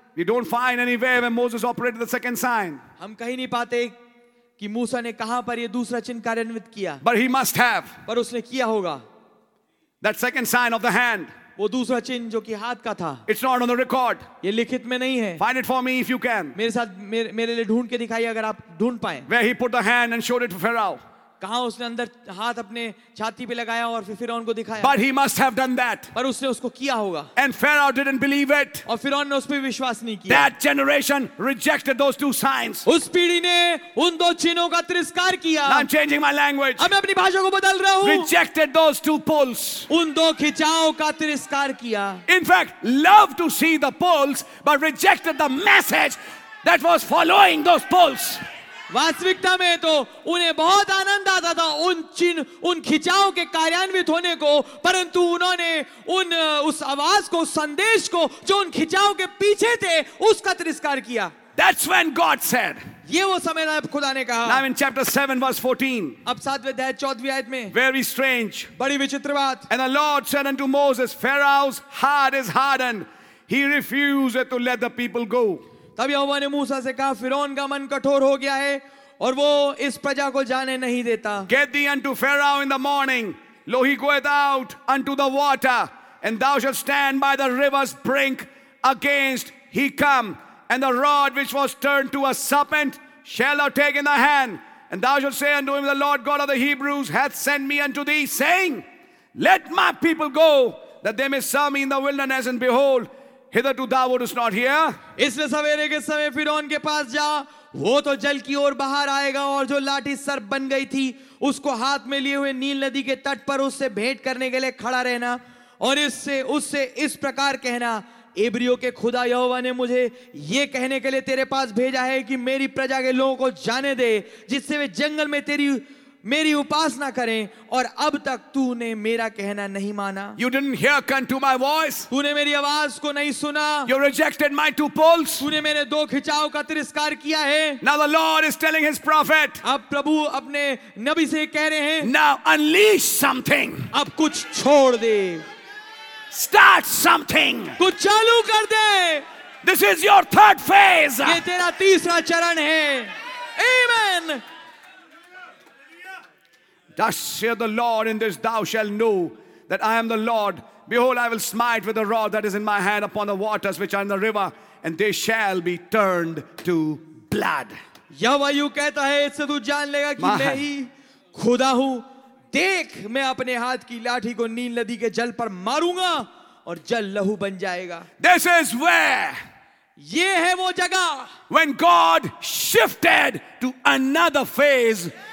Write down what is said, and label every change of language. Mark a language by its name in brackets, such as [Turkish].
[English] We don't find anywhere when Moses operated the second sign. [Hindi] हम कहीं नहीं पाते कि मूसा ने कहां पर ये दूसरा चिन्ह कार्यान्वित किया. [English] But he must have. [Hindi] पर उसने किया होगा. [English] That second sign of the hand. [Hindi] वो दूसरा चिन्ह जो कि हाथ का था. [English] It's not on the record. [Hindi] ये लिखित में नहीं है. [English] Find it for me if you can. [Hindi] मेरे साथ मेरे लिए ढूंढ के दिखाइए अगर आप ढूंढ पाए. [English] Where he put the hand and showed it to Pharaoh. [Hindi] कहां उसने अंदर हाथ अपने छाती पे लगाया और फिर फिरौन को दिखाया. [English] But he must have done that. [Hindi] पर उसने उसको किया होगा. [English] And Pharaoh didn't believe it. [Hindi] और फिरौन ने उस पे विश्वास नहीं किया. [English] That generation rejected those two signs. [Hindi] उस पीढ़ी ने उन दो चिन्हों का तिरस्कार किया. [English] Now I'm changing my language. [Hindi] अब मैं अपनी भाषा को बदल रहा हूं. [English] Rejected those two poles. [Hindi] उन दो खिंचाव का तिरस्कार किया. [English] In fact, loved to see the poles, but rejected the message that was following those poles. [Hindi] वास्तविकता में तो उन्हें बहुत आनंद आता था उन चिन्ह उन खिंचाओं के कार्यान्वित होने को परंतु उन्होंने उन उस आवाज को संदेश को जो उन खिंचाओं के पीछे थे उसका तिरस्कार किया. [English] That's when God said. [Hindi] ये वो समय था खुदा ने कहा. [English] Now in chapter 7 verse 14. [Hindi] अब सातवें अध्याय 14वीं आयत में. [English] Very strange. [Hindi] बड़ी विचित्र बात. [English] And the Lord said unto Moses, Pharaoh's heart is hardened. He refuses to let the people go. [Hindi] तब यहोवा ने मूसा से कहा फिरौन का मन कठोर हो गया है और वो इस प्रजा को जाने नहीं देता. [English] Get thee unto Pharaoh in the morning. Lo, he goeth out unto the water, and thou shalt stand by the river's brink. Against he come, and the rod which was turned to a serpent shall thou take in thy hand. And thou shalt say unto him, the Lord God of the Hebrews hath sent me unto thee, saying, let my people go, that they may serve me in the wilderness. And behold, hitherto thou wouldest not hear. [Hindi] इसलिए सवेरे के समय फिरौन के पास जा, वो तो जल की ओर बाहर आएगा, और जो लाठी सर्प बन गई थी उसको हाथ में लिए हुए नील नदी के तट पर उससे भेंट करने के लिए खड़ा रहना, और इससे उससे इस प्रकार कहना, इब्रियों के खुदा यहोवा ने मुझे ये कहने के लिए तेरे पास भेजा है कि मेरी प्रजा के लोगों को जाने दे, जिससे वे जंगल में तेरी मेरी उपासना करें, और अब तक तूने मेरा कहना नहीं माना. [English] You didn't hearken to my voice. [Hindi] तूने मेरी आवाज को नहीं सुना. [English] You rejected my two poles. [Hindi] तूने मेरे दो खिंचाव का तिरस्कार किया है. [English] Now the Lord is telling his prophet. [Hindi] अब प्रभु अपने नबी से कह रहे हैं. [English] Now unleash something. [Hindi] अब कुछ छोड़ दे. [English] Start something. [Hindi] कुछ चालू कर दे. [English] This is your third phase. [Hindi] ये तेरा तीसरा चरण है. Amen. [English] Thus saith the Lord, in this thou shalt know that I am the Lord. Behold, I will smite with the rod that is in my hand upon the waters which are in the river, and they shall be turned to blood. [Hindi] यहोवा यूं कहता है, इससे तू जान लेगा कि मैं ही खुदा हूं. देख, मैं अपने हाथ की लाठी को नील नदी के जल पर मारूंगा और जल लहू बन जाएगा. [English] This is where. [Hindi] ये है वो जगह. [English] When God shifted to another phase.